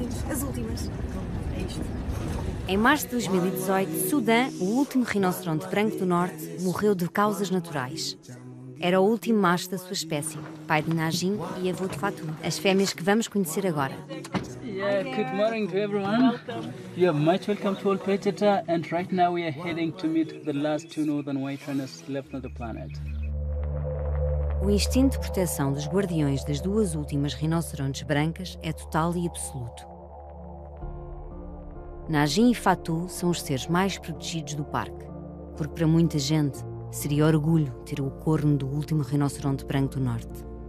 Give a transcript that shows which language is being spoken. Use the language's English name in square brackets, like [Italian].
[Portuguese] As últimas. É isto. Em março de 2018, Sudan, o último rinoceronte branco do norte, morreu de causas naturais. Era o último macho da sua espécie, pai de Najim e avô de Fatou, as fêmeas que vamos conhecer agora. [English] Yeah, good morning to everyone. Welcome. You are much welcome to Old Predator, and right now we are heading to meet the last two northern white rhinos left on the planet. [Portuguese] O instinto de proteção dos guardiões das duas últimas rinocerontes brancas é total e absoluto. Najim e Fatou são os seres mais protegidos do parque, porque para muita gente seria orgulho ter o corno do último rinoceronte branco do norte.